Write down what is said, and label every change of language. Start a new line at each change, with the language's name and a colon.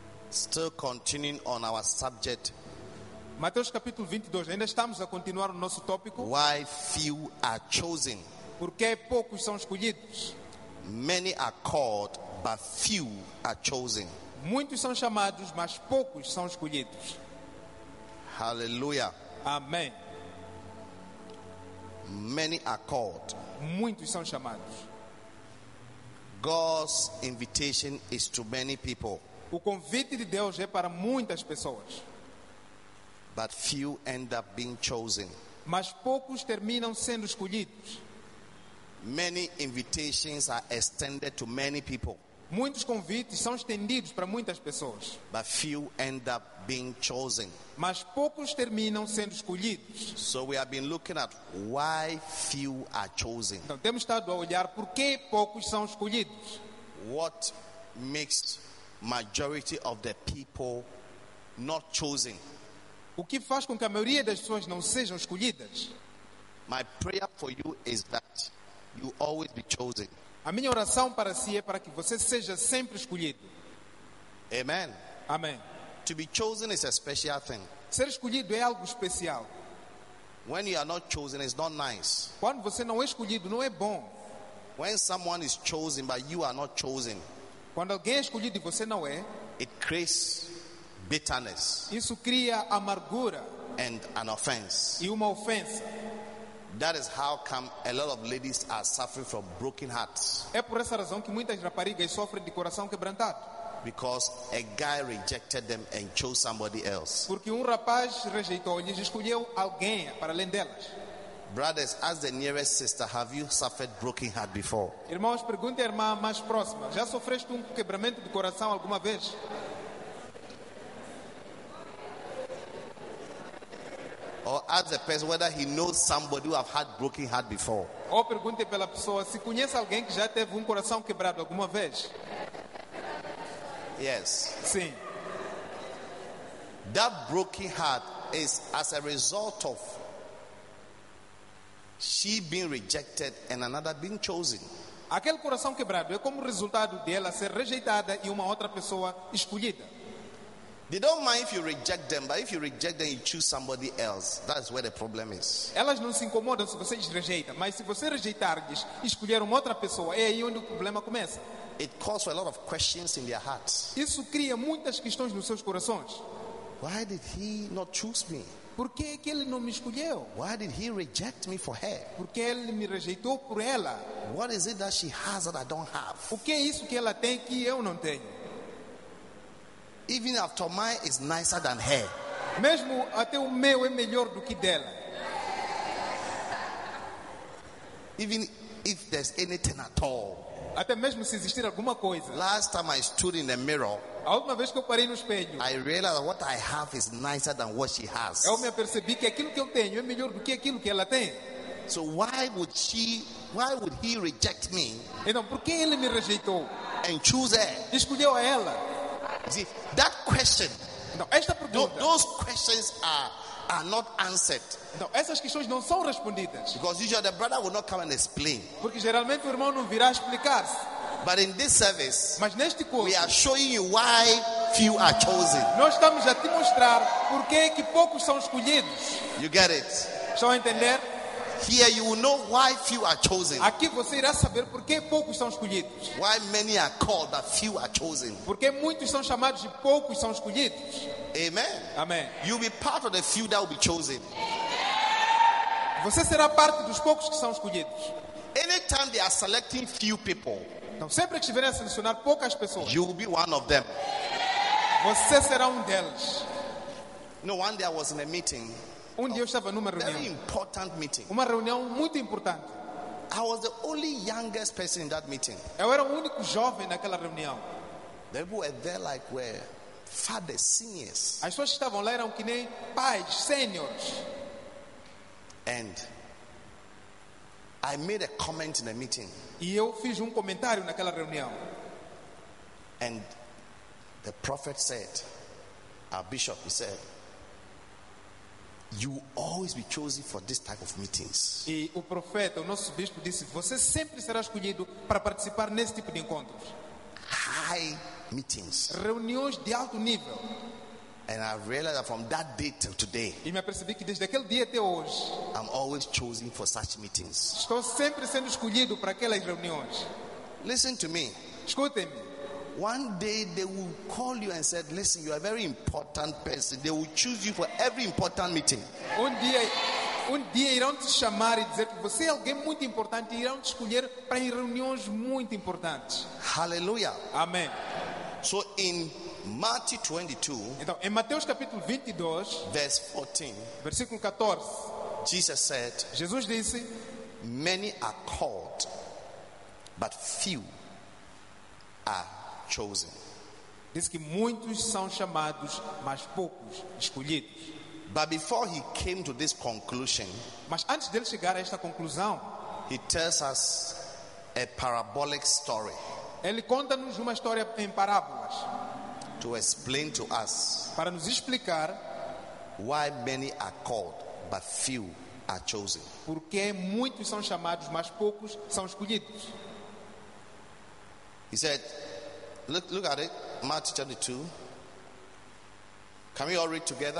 English: Still continuing on our subject.
Portuguese: Mateus capítulo 22. Ainda estamos a continuar o nosso tópico.
English: Why few are chosen?
Portuguese: Porque poucos são escolhidos.
English: Many are called, but few are chosen.
Portuguese: Muitos são chamados, mas poucos são escolhidos.
English: Hallelujah.
Portuguese: Amém.
English: Many are called.
Portuguese: Muitos são chamados.
English: God's invitation is to many people.
Portuguese: O convite de Deus é para muitas pessoas.
English: But few end up being chosen.
Portuguese: Mas poucos terminam sendo escolhidos.
English: Many invitations are extended to many people.
Portuguese: Muitos convites são estendidos para muitas pessoas.
English: But few end up being chosen.
Portuguese: Mas poucos terminam sendo escolhidos.
English: So we have been looking at why few are chosen.
Portuguese: Então temos estado a olhar por que poucos são escolhidos.
English: What makes majority of the people not chosen?
Portuguese: O que faz com que a maioria das pessoas não sejam escolhidas?
English: My prayer for you is that you always be chosen.
Portuguese: A minha oração para si é para que você seja sempre escolhido.
English: Amen.
Portuguese: Amém.
English: To be chosen is a special thing.
Portuguese: Ser escolhido é algo especial.
English: When you are not chosen, it's not nice.
Portuguese: Quando você não é escolhido, não é bom.
English: When someone is chosen but you are not chosen.
Portuguese: Quando alguém é escolhido e você não é,
English: it creates bitterness.
Portuguese: Isso cria amargura
English: and an offense.
Portuguese: E uma ofensa.
English: That is how come a lot of ladies are suffering from broken hearts.
Portuguese: É por essa razão que muitas raparigas sofrem de coração quebrantado.
English: Because a guy rejected them and chose somebody else.
Portuguese: Porque rapaz rejeitou-lhes e escolheu alguém para além delas.
English: Brothers, ask the nearest sister, have you suffered broken heart before?
Portuguese: Irmãos, pergunte à irmã mais próxima, já sofreste quebramento de coração alguma vez?
English: Or ask the person whether he knows somebody who have had broken heart before.
Portuguese: Ou pergunte pela pessoa se conhece alguém que já teve coração quebrado alguma vez.
English: Yes.
Portuguese: Sim.
English: That broken heart is as a result of she being rejected and another being chosen.
Portuguese: Aquele coração quebrado é como resultado dela ser rejeitada e uma outra pessoa escolhida.
English: They don't mind if you reject them, but if you reject them, you choose somebody else. That's where the problem is.
Portuguese: Elas não se incomodam se você rejeita, mas se você rejeitar-lhes e escolher uma outra pessoa, é aí onde o problema começa.
English: It causes a lot of questions in their hearts.
Portuguese: Isso cria muitas questões nos seus corações.
English: Why did he not choose me?
Portuguese: Por que ele não me escolheu?
English: Why did he reject me for her?
Portuguese: Por que ele me rejeitou por ela?
English: What is it that she has that I don't have?
Portuguese: O que é isso que ela tem que eu não tenho?
English: Even after mine is nicer than her.
Portuguese: Mesmo até o meu é melhor do que dela.
English: Even if there's anything at all.
Portuguese: Até mesmo se existir alguma coisa.
English: Last time I stood in the mirror.
Portuguese: A última vez que eu parei no espelho.
English: I realized that what I have is nicer than what she has.
Portuguese: Eu me apercebi que aquilo que eu tenho é melhor do que aquilo que ela tem.
English: So why would he reject me?
Portuguese: Então por que ele me rejeitou?
English: And choose her.
Portuguese: Escolheu a ela.
English: See, that question.
Portuguese: Não, esta pergunta.
English: Those questions are not answered.
Portuguese: Não, essas questões não são respondidas.
English: Because usually the brother will not come and explain.
Portuguese: Porque geralmente o irmão não virá explicar.
English: But in this service,
Portuguese: mas neste curso,
English: we are showing you why few are chosen.
Portuguese: Nós estamos a te mostrar por que poucos são escolhidos.
English: You get it?
Portuguese: Estão a entender?
English: Here you will know why few are chosen.
Portuguese: Aqui você irá saber por que poucos são escolhidos.
English: Why many are called but few are chosen.
Portuguese: Porque muitos são chamados e poucos são escolhidos.
English: Amen.
Portuguese: Amém.
English: You will be part of the few that will be chosen.
Portuguese: Você será parte dos poucos que são escolhidos.
English: Anytime they are selecting few people.
Portuguese: Então sempre que estiverem a selecionar poucas pessoas.
English: You will be one of them.
Portuguese: Você será deles.
English: No, one day I was in a meeting.
Portuguese: Dia eu estava numa reunião.
English: Very important meeting.
Portuguese: Uma reunião muito importante.
English: I was the only youngest person in that meeting.
Portuguese: Eu era o único jovem naquela reunião.
English: They were there like were fathers, seniors.
Portuguese: As pessoas que estavam lá eram que nem pais, seniors.
English: And I made a comment in the meeting.
Portuguese: E eu fiz comentário naquela reunião.
English: And the prophet said, our bishop, he said, you always be chosen for this type of meetings.
Portuguese: E o profeta, o nosso bispo disse, você sempre será escolhido para participar nesse tipo de encontros.
English: High meetings.
Portuguese: Reuniões de alto nível.
English: And I realized that from that day till today.
Portuguese: E me apercebi que desde aquele dia até hoje.
English: I'm always chosen for such meetings.
Portuguese: Estou sempre sendo escolhido para aquelas reuniões.
English: Listen to me.
Portuguese: Escutem-me.
English: One day they will call you and said, listen, you are a very important person. They will choose you for every important meeting.
Portuguese: Um dia irão te chamar e dizer que você é alguém muito importante e irão te escolher para em reuniões muito importantes.
English: Hallelujah.
Portuguese: Amém.
English: So in Matthew 22,
Portuguese: então, em Mateus capítulo 22,
English: verse 14,
Portuguese: versículo 14,
English: Jesus said,
Portuguese: Jesus disse,
English: many are called, but few are chosen.
Portuguese: Diz que muitos são chamados, mas poucos escolhidos.
English: But before he came to this conclusion,
Portuguese: mas antes dele chegar a esta conclusão,
English: he tells us a parabolic story.
Portuguese: Ele conta-nos uma história em parábolas.
English: To explain to us,
Portuguese: para nos explicar,
English: why many are called but few are chosen.
Portuguese: Porque muitos são chamados, mas poucos são escolhidos.
English: He said, look at it, Matthew chapter 2. Can we all read together?